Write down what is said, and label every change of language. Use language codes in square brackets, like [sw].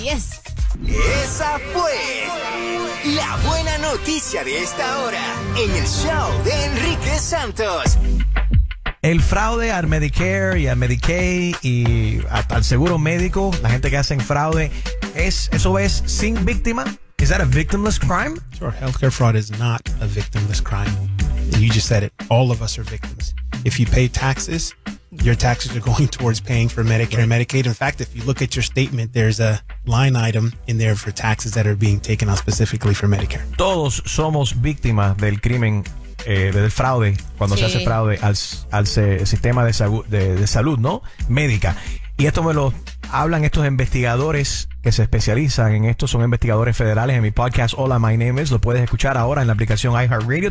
[es] Esa fue la buena noticia de esta hora en el show de Enrique Santos. El fraude al Medicare y al Medicaid y al seguro médico, la gente que hacen fraude, ¿eso es sin víctima? [en] Is that a victimless crime? Sure, healthcare fraud is not a victimless crime. You just said it. All of us are victims. If you pay taxes, your taxes are going towards paying for Medicare and Medicaid. In fact, if you look at your statement, there's a line item in there for taxes that are being taken out specifically for Medicare. [es] Todos somos víctimas del crimen. Del fraude, cuando sí. Se hace fraude al sistema de salud, ¿no? Médica. Y esto me lo hablan estos investigadores que se especializan en esto, son investigadores federales en mi podcast Hola, My Name Is. Lo puedes escuchar ahora en la aplicación iHeartRadio.